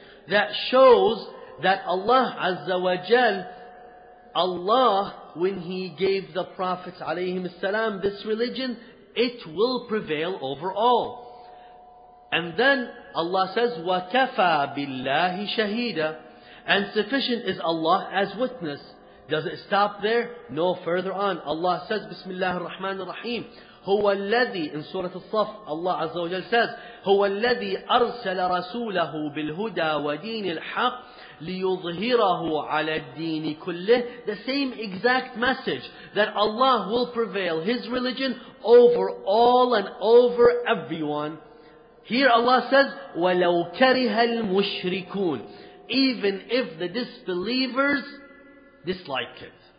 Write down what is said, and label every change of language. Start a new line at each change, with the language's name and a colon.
English: That shows that Allah Azza wa Jal, Allah, when He gave the prophets alayhim salam this religion, it will prevail over all. And then Allah says,
Arabic: وَكَفَى بِاللَّهِ شَهِيدًا.
English: And sufficient is Allah as witness. Does it stop there? No, further on.
Arabic: Allah says, بسم الله الرحمن الرحيم. هُوَ الَّذِي,
English: in Surah Al-Saff, Allah Azza wa Jal says,
Arabic: هُوَ الَّذِي أَرْسَلَ رَسُولَهُ بِالْهُدَى وَدِينِ الْحَقِّ لِيُظْهِرَهُ عَلَى الدِّينِ كُلِّهِ.
English: The same exact message that Allah will prevail His religion over all and over everyone. Here Allah says,
Arabic: وَلَوْ كَرِهَ الْمُشْرِكُونَ.
English: Even if the disbelievers dislike it.